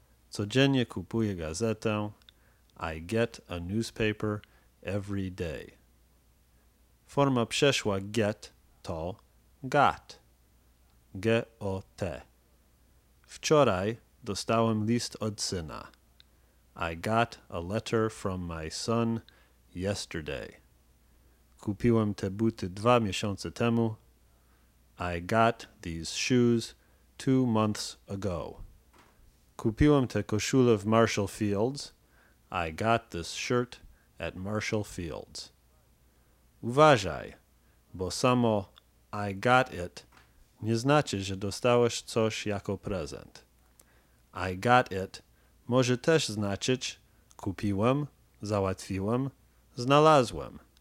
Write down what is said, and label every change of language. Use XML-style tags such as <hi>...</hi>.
<pl>Codziennie kupuję gazetę,</pl> <en>I get a newspaper every day.</en> <pl>Forma przeszła get to got, G-O-T. Wczoraj dostałem list od syna.</pl> <en>I got a letter from my son yesterday.</en> <pl>Kupiłem te buty 2 miesiące temu.</pl> <en>I got these shoes 2 months ago.</en> <pl>Kupiłem te koszulę of Marshall Fields.</pl> <en>I got this shirt at Marshall Fields.</en> <pl>Uważaj, bo samo</pl> <en>I got it</en> <pl>nie znaczy, że dostałeś coś jako prezent.</pl> <en>I got it</en> <pl>może też znaczyć kupiłem, załatwiłem, znalazłem.</pl>